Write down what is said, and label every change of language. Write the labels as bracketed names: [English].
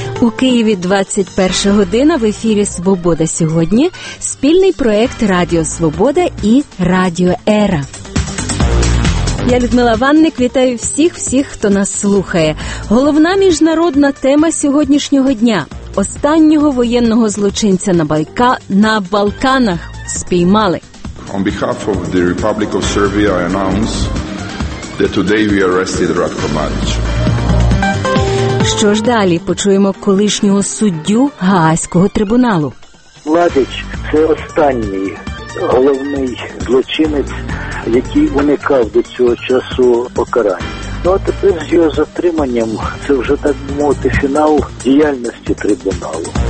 [Ukrainian] Києві 21 година в ефірі «Свобода сьогодні» – спільний проєкт «Радіо Свобода» і «Радіо Ера». Я, Людмила Ванник, вітаю всіх-всіх, хто нас слухає. Головна міжнародна тема сьогоднішнього дня – останнього воєнного злочинця на Балканах спіймали. [English] On behalf of the Republic of Serbia, I announce that today we arrested Ratko Mladić. [Ukrainian] Що ж далі? Почуємо колишнього суддю Гаазького трибуналу. Младич – це останній головний злочинець, який уникав до цього часу покарання. Ну, а тепер з його затриманням це вже, так мовити, фінал діяльності трибуналу.